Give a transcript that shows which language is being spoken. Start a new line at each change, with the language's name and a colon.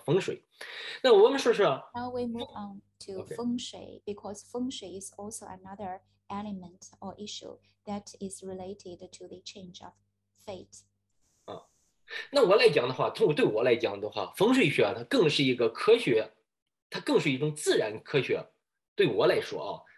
Chinese: 那我们就是说，我们再讲一下这个风水学。其实我们在改变命运的，改变很多东西，还有一个风水，在道教里面，很多人都知道这个风水。那我们说说。
English: Now we move on to feng shui, because feng shui is also another element or issue that is related to the change of fate.
Chinese: 那我来讲的话，对我来讲的话，风水学它更是一个科学，它更是一种自然科学，对我来说啊。